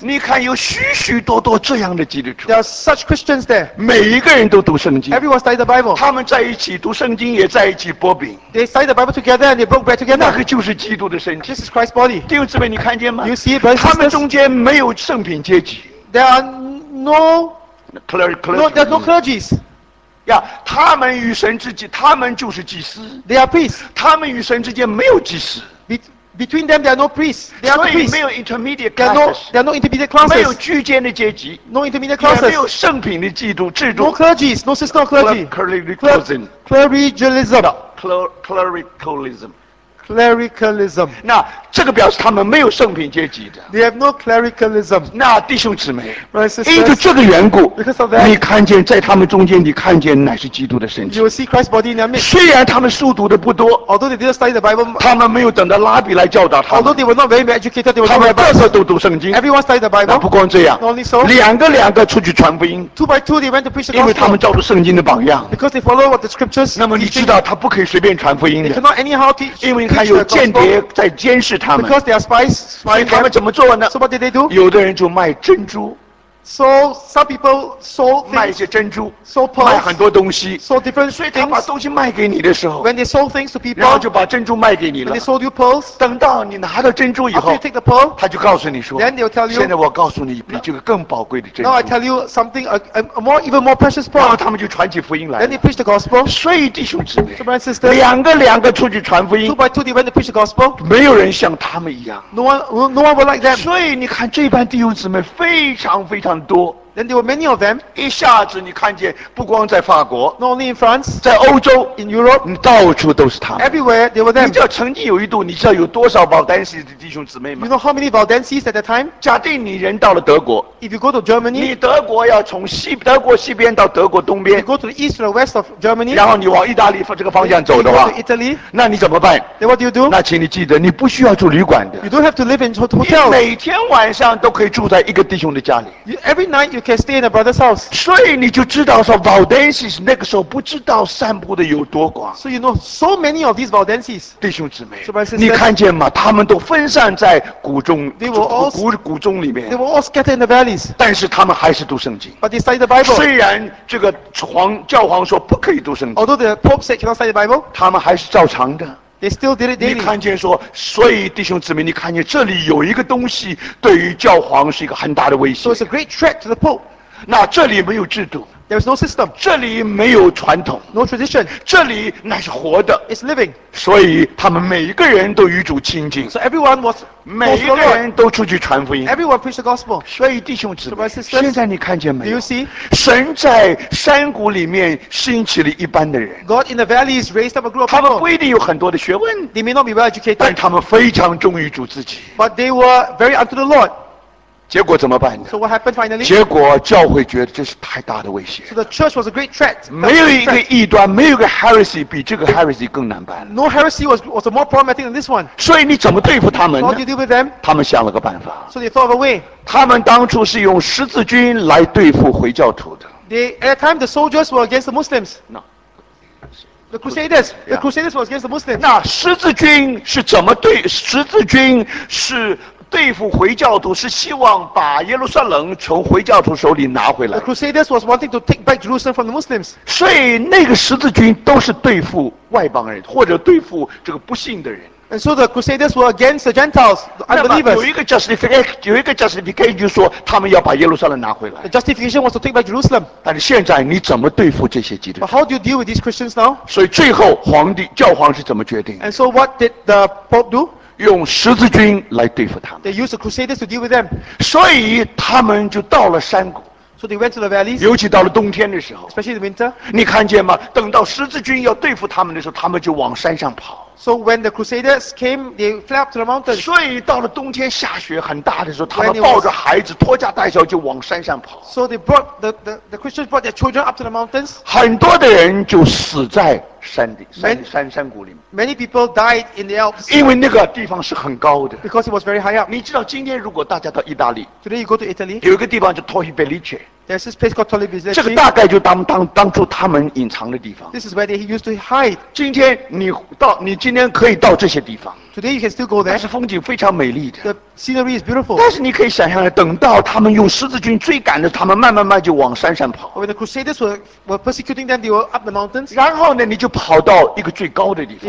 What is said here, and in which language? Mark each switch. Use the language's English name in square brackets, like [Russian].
[Chinese] 你看有许许多多这样的基督徒。 [English] There are such Christians there. [Chinese] 每一个人都读圣经。 [English] Everyone studied the Bible. [Chinese] 他们在一起读圣经也在一起薄饼。 [English] They studied the Bible together and they broke bread together. [Chinese] 那个就是基督的身体。 [English] This is Christ's body. [Chinese] 弟兄姊妹你看见吗 [English] you see it, brothers and sisters? [Chinese] 他们中间没有圣品阶级。 [English] There are no clergy. No, there are no clergy. Yeah, [Chinese] 他们与神之间，他们就是祭司。 [English] They are priests. [Chinese] 他们与神之间没有祭司。 [English] Between them, there are no priests. They are no priests. [Chinese] 所以没有 [English] intermediate classes. There are no intermediate classes. [Chinese] 没有居间的阶级。 [English] No intermediate classes. [Chinese] 也没有圣品的制度。 [English] No clergies. No system of clergy. Clericalism. Clericalism. Clericalism. Clericalism. [Chinese] 那这个表示他们没有圣品阶级的。 [English] They have no clericalism. [Chinese] 那弟兄姊妹 [English] Brothers, sisters, [Chinese] 因着这个缘故 [English] because of that, [Chinese] 你看见在他们中间你看见乃是基督的身体。 [English] You will see Christ's body in their midst. [Chinese] 虽然他们书读的不多 [English] although they didn't study the Bible, [Chinese] 他们没有等到拉比来教导他们 [English] although they were not very educated, they were not very educated, [Chinese] 他们个个都读圣经 [English] everyone studied the Bible. [Chinese] 那不光这样 [English] not only so, [Chinese] 两个两个出去传福音 [English] two by two they went to preach the gospel. [Chinese] 因为他们照着圣经的榜样 [English] because they follow what the scriptures [Chinese] 那么你知道他不可以随便传福音的 [English] they cannot anyhow teach, [Chinese] 因为还有间谍在监视他们 [English] because they are spies, [Chinese] 所以他们怎么做呢 [English] so what did they do? [Chinese] 有的人就卖珍珠 [English] so some people sold things, [Chinese] 卖一些珍珠 [English] sold pearls, [Chinese] 卖很多东西 [English] sold different things, [Chinese] 所以他把东西卖给你的时候 [English] when they sold things to people, [Chinese] 然后就把珍珠卖给你了 [English] when they sold you pearls, [Chinese] 等到你拿到珍珠以后 [English] after you take the pearl, [Chinese] 他就告诉你说 [English] then they'll tell you, [Chinese] 现在我告诉你比这个更宝贵的珍珠 [English] now I tell you something, a more, even more precious pearl [Chinese] 然后他们就传起福音来 [English] then they preach the gospel [Chinese] 所以弟兄姊妹 [English] so brothers and sisters, [Chinese] 两个两个出去传福音 [English] two by two they went to preach the gospel [Chinese] 没有人像他们一样 [English] no one would like them [Chinese] 所以你看这班弟兄姊妹非常非常多 [English] Then there were many of them. [Chinese] 一下子你看见不光在法国 [English] Not only in France, [Chinese] 在欧洲 [English] In Europe, [Chinese] 你到处都是他们 [English] Everywhere they were them. [Chinese] 你知道曾经有一度你知道有多少 Valdenses 的弟兄姊妹吗 [English] You know how many Valdenses at that time? [Chinese] 假定你人到了德国 [English] If you go to Germany, [Chinese] 你德国要从西德国西边到德国东边 [English] You go to the east or the west of Germany, [Chinese] 然后你往意大利这个方向走的话 [English] You go to Italy, [Chinese] 那你怎么办 [English] Then what do you do? [Chinese] 那请你记得你不需要住旅馆的 [English] You don't have to live in hotels. [Chinese] 你每天晚上都可以住在一个弟兄的家里 [English] Every night you can stay in a brother's house. [Chinese] 所以你就知道说 Valdenses 那个时候不知道散布的有多广 [English] So you know so many of these Valdenses. [Chinese] 弟兄姊妹 [English] so my sister, [Chinese] 你看见吗他们都分散在谷中 [English] they were all, [Chinese] 谷中里面 [English] They were all scattered in the valleys. [Chinese] 但是他们还是读圣经 [English] But they studied the Bible. [Chinese] 虽然这个教皇说不可以读圣经 [English] Although the Pope said cannot study the Bible. [Chinese] 他们还是照常的 [English] They still did it daily. [Chinese] 你看见说，所以弟兄姊妹，你看见这里有一个东西，对于教皇是一个很大的威胁。 [English] So it's a great threat to the Pope. [Chinese] 那这里没有制度。 [English] There's no system. [Chinese] 这里没有传统。 [English] No tradition. [Chinese] 这里乃是活的。 [English] It's living. [Chinese] 所以他们每一个人都与主亲近。 [English] So everyone was. [Chinese] 每一个人都出去传福音。 [English] Everyone preached the gospel. [Chinese] 所以弟兄姊妹， [English] so、sisters, [Chinese] 现在你看见没有 [English] ？Do you see? [Chinese] 神在山谷里面兴起了一般的人。 [English] God in the valleys raised up a group of people. [Chinese] 他们不一定有很多的学问。 [English] They may not be well educated. [Chinese] 但他们非常忠于主自己。 [English] But they were very unto the Lord. [Chinese] 结果怎么办呢 [English] so what happened finally? [Chinese] 结果教会觉得这是太大的威胁 [English] so the church was a great threat [Chinese] 没有一个异端没有一个 heresy 比这个 heresy 更难办 [English] no heresy was a more problematic than this one [Chinese] 所以你怎么对付他们呢 [English] how do you deal with them? [Chinese] 他们想了个办法 [English] so they thought of a way [Chinese] 他们当初是用十字军来对付回教徒的 [English] at that time the soldiers were against the Muslims no The Crusaders, yeah. The Crusaders was against the Muslims. [Chinese] 那十字军是怎么对？十字军是对付回教徒，是希望把耶路撒冷从回教徒手里拿回来。 [English] The Crusaders was wanting to take back Jerusalem from the Muslims. [Chinese] 所以那个十字军都是对付外邦人，或者对付这个不信的人。 [English] And so the Crusaders were against the Gentiles, the unbelievers. [Chinese] 那么有一个 justification 就是说他们要把耶路撒冷拿回来。 [English] The justification was to take back Jerusalem. [Chinese] 但是现在你怎么对付这些基督徒？ [English] But how do you deal with these Christians now? [Chinese] 所以最后皇帝教皇是怎么决定？ [English] And so what did the Pope do? [Chinese] 用十字军来对付他们。 [English] They used the Crusaders to deal with them. [Chinese] 所以他们就到了山谷。 [English] So they went to the valleys. [Chinese] 尤其到了冬天的时候。 [English] Especially in winter. [Chinese] 你看见吗？等到十字军要对付他们的时候，他们就往山上跑。 [English] So when the Crusaders came, they fled up to the mountains. [Chinese] 所以到了冬天下雪很大的时候，他们抱着孩子拖家带小就往山上跑。 [English] So they brought the Christians brought their children up to the mountains. [Chinese] 很多的人就死在山谷里面。 [English] Many people died in the Alps. [Chinese] 因为那个地方是很高的。 [English] Because it was very high up. [Chinese] 你知道今天如果大家到意大利 [English] ，Today you go to Italy. [Chinese] 有一个地方叫 Torre Belice. [English] There's this place called Torre Belice. [Chinese] 这个大概就当初他们隐藏的地方。 [English] This is where they used to hide. [Chinese] 今天你今天可以到这些地方。 [English] Today you can still go there. [Chinese] 但是风景非常美丽的。 [English] The scenery is beautiful. [Chinese] 但是你可以想象，等到他们用十字军追赶着他们，慢慢慢就往山上跑。 [English] When the Crusaders were persecuting them, they were up the mountains. [Chinese] 然后呢，你就跑到一个最高的地方。